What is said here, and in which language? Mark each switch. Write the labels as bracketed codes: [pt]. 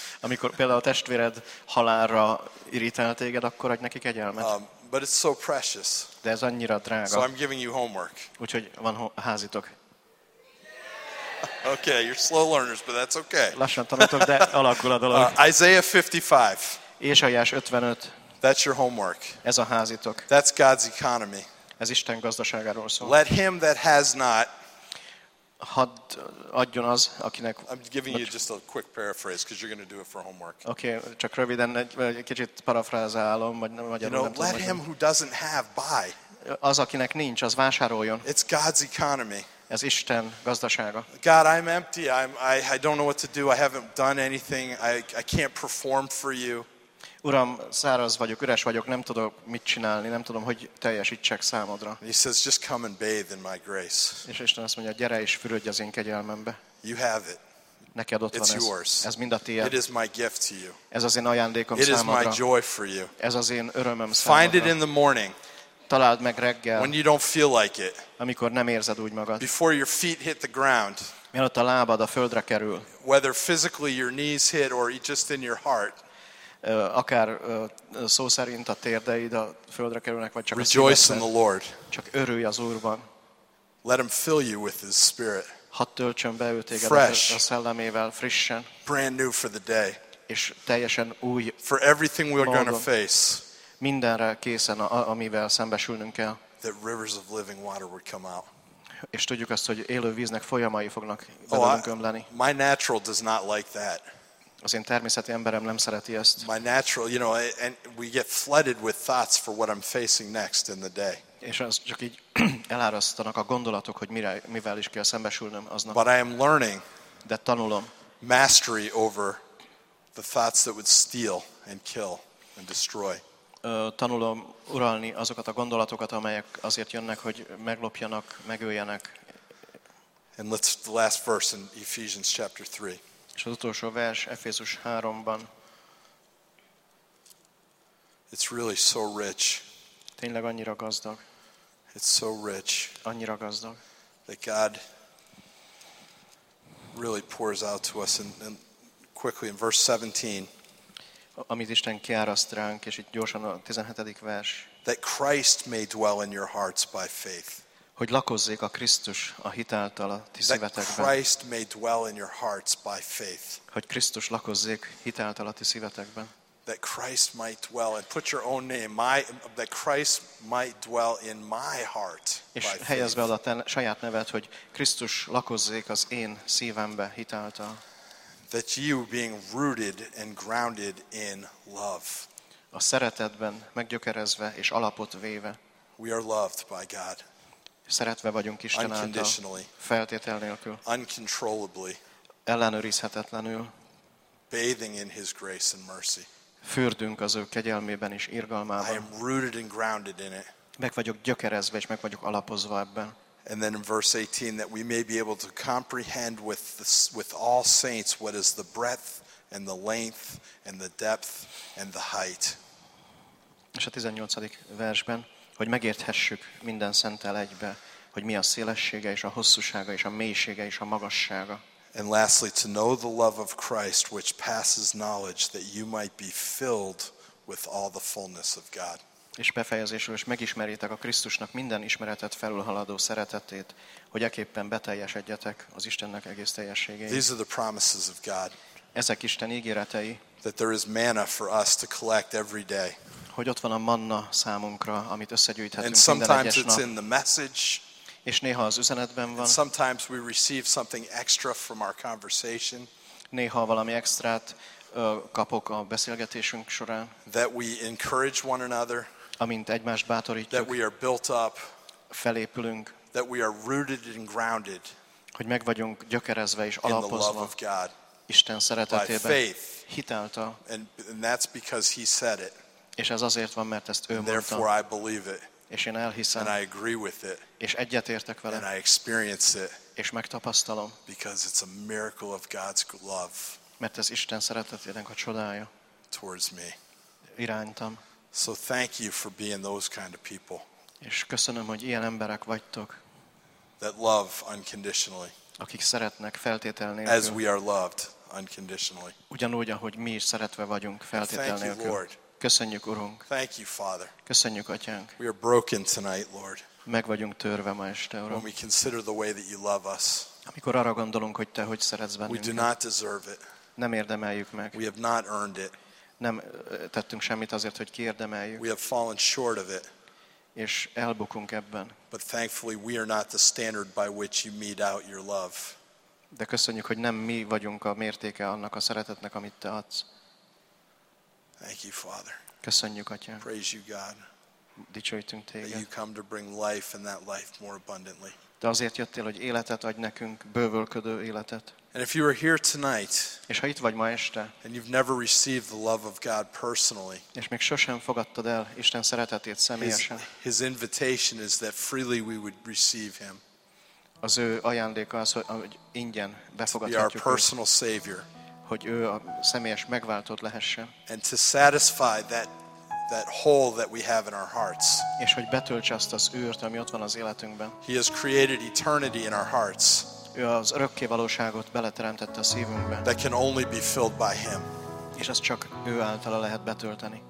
[hu] Amikor például a testvéred halálra irítál téged, akkor adj neki kegyelmet. [en] But it's so precious. [hu] De ez annyira drága. [en] So I'm giving you homework. [hu] Úgyhogy van házitok. [en] Okay, you're slow learners, but that's okay. [hu] Lassan tanultok, de alakul a dolog. [en] Isaiah 55. [hu] Ézsaiás 55. [en] That's your homework. [hu] Ez a házitok. [en] That's God's economy. [hu] Ez Isten gazdaságáról szól. [en] Let him that has not. [hu] Hadd adjon az, akinek. [en] I'm giving you just a quick paraphrase because you're going to do it for homework. [hu] Okay, csak röviden egy kicsit parafrázálom, vagy nem tudom. [en] You know, let him who doesn't have buy. [hu] az akinek nincs, az vásároljon. [en] It's God's economy. [hu] Ez Isten gazdasága. [en] God, I'm empty. I don't know what to do. I haven't done anything. I can't perform for you. [hu] Uram, száraz vagyok, üres vagyok, nem tudok mit csinálni, nem tudom, hogy teljesítsek számodra. [en] He says, just come and bathe in my grace. [hu] És Isten azt mondja, gyere és fürödj az én kegyelmembe. [en] You have it. [hu] Neked ott van ez. [en] Yours. [hu] Ez mind a tiéd. [en] It is my gift to you. [hu] Ez az én ajándékom [en] it [hu] számodra. [en] It is my joy for you. [hu] Ez az én örömöm [en] Find [hu] számodra. [en] Find it in the morning. [hu] Találd meg reggel. [en] When you don't feel like it. [hu] Amikor nem érzed úgy magad. [en] Before your feet hit the ground. [hu] Mielőtt a lábad a földre kerül. [en] Whether physically your knees hit or just in your heart. [hu] Akár szó szerint a térdeid a földre kerülnek, vagy csak [en] Rejoice [hu] a szívedben. [en] In the Lord. [hu] Csak örülj az Úrban. [en] Let him fill you with his spirit. [hu] Hadd töltsön be ő téged [en] Fresh. [hu] A szellemével frissen. [en] Brand new for the day. [hu] És teljesen új. [en] For everything we're going to face. [hu] Mindenre készen, amivel szembesülnünk kell. [en] That rivers of living water would come out. [hu] És tudjuk azt, hogy élő víznek folyamai fognak belőlünk ömleni. [en] My natural does not like that. [hu] Az én természeti emberem nem szereti ezt. [en] My natural, you know, and we get flooded with thoughts for what I'm facing next in the day. [hu] És az csak így elárasztanak a gondolatok, hogy mire, mivel is kell szembesülnöm aznap. [en] But I am learning. [hu] De tanulom. [en] Mastery over the thoughts that would steal and kill and destroy. [hu] Tanulom uralni azokat a gondolatokat, amelyek azért jönnek, hogy meglopjanak, megöljenek. [en] And let's the last verse in Ephesians chapter 3. [hu] És az utolsó vers Efézus 3-ban. [en] It's really so rich. [hu] Tényleg annyira gazdag. [en] It's so rich. [hu] Annyira gazdag. [en] That God really pours out to us and quickly in verse 17. [hu] Amit Isten kiáraszt ránk, és itt gyorsan a 17. vers. [en] That Christ may dwell in your hearts by faith. [hu] Hogy lakozzék a Krisztus a hit által a ti szívetekben. [en] That Christ may dwell in your hearts by faith. [hu] Hogy Krisztus lakozzék hit által a ti szívetekben. [en] That Christ might dwell and put your own name my that Christ might dwell in my heart. [hu] És helyezd be oda a saját nevet, hogy Krisztus lakozzék az én szívembe hit által. [en] That you being rooted and grounded in love. [hu] A szeretetben meggyökerezve és alapot véve. [en] We are loved by God. [hu] Szeretve vagyunk Isten által, feltétel nélkül, [en] uncontrollably, [hu] ellenőrizhetetlenül, [en] bathing in his grace and mercy. [hu] Fürdünk az ő kegyelmében és irgalmában. [en] I am rooted and grounded in it. [hu] Meg vagyok gyökerezve és meg vagyok alapozva ebben. [en] And then in verse 18 that we may be able to comprehend with all saints what is the breadth and the length and the depth and the height. [hu] És a 18. versben hogy megérthessük minden szenttel egybe, hogy mi a szélessége és a hosszúsága és a mélysége és a magassága. [en] And lastly, to know the love of Christ, which passes knowledge, that you might be filled with all the fullness of God. [hu] És befejezésül is megismerjétek a Krisztusnak minden ismeretet felülhaladó szeretetét, hogy eképpen beteljesedjetek az Istennek egész teljességéig. [en] These are the promises of God. [hu] Ezek Isten ígéretei. [en] That there is manna for us to collect every day. [hu] Hogy ott van a manna számunkra, amit összegyűjthetünk [en] and [hu] minden egyes [en] it's [hu] nap. [en] In the message, [hu] és néha az üzenetben van. [en] Sometimes we receive something extra from our conversation. [hu] Néha valami extrát kapok a beszélgetésünk során. [en] That we encourage one another. [hu] Amint egymást bátorítjuk. [en] That we are built up. [hu] Felépülünk. [en] That we are rooted and grounded. [hu] Hogy meg vagyunk gyökerezve és alapozva. [en] In the love of God. [hu] Isten szeretetében. [en] By faith. [hu] Hit által. [en] And that's because he said it. [hu] És ez azért van, mert ezt ő mondta. [en] Therefore I believe it. [hu] És én elhiszem. [en] And I agree with it. [hu] És egyetértek vele. [en] And I experience it. [hu] És megtapasztalom. [en] Because it's a miracle of God's love. [hu] Mert ez Isten szeretetének a csodája. [en] Towards me. [hu] Irántam. [en] So thank you for being those kind of people. [hu] És köszönöm, hogy ilyen emberek vagytok. [en] That love unconditionally. [hu] Akik szeretnek feltétel nélkül. [en] As we are loved unconditionally. [hu] Ugyanúgy, ahogy mi is szeretve vagyunk feltétel nélkül. [en] Thank you, Lord. [hu] Köszönjük, Urunk. [en] Thank you, Father. [hu] Köszönjük, Atyánk. [en] We are broken tonight, Lord. [hu] Meg vagyunk törve ma este, Uram. [en] When we consider the way that you love us. [hu] Amikor arra gondolunk, hogy te hogy szeretsz bennünket. [en] We do not deserve it. [hu] Nem érdemeljük meg. [en] We have not earned it. [hu] Nem tettünk semmit azért, hogy kiérdemeljük. [en] We have fallen short of it. [hu] És elbukunk ebben. [en] But thankfully we are not the standard by which you mete out your love. [hu] De köszönjük, hogy nem mi vagyunk a mértéke annak a szeretetnek, amit te adsz. [en] Thank you, Father. [hu] Köszönjük, Atya. [en] Praise you, God. [hu] dicsőítünk téged. [en] You come to bring life and that life more abundantly. [hu] De azért jöttél, hogy életet adj nekünk, bővölködő életet. [en] And if you are here tonight, [hu] és ha itt vagy ma este, [en] and you've never received the love of God personally, [hu] és még sosem fogadtad el Isten szeretetét személyesen, [en] his invitation is that freely we would receive him. [hu] Az ő ajándéka az, hogy ingyen befogadhatjuk őt. [en] Be our personal savior. [hu] Hogy ő a személyes megváltót lehessen. [en] And to satisfy that hole that we have in our hearts. [hu] És hogy betöltse azt az űrt, ami ott van az életünkben. [en] He has created eternity in our hearts. [hu] Ő az örökké valóságot beleteremtette a szívünkbe. [en] That can only be filled by him. [hu] És azt csak ő általa lehet betölteni.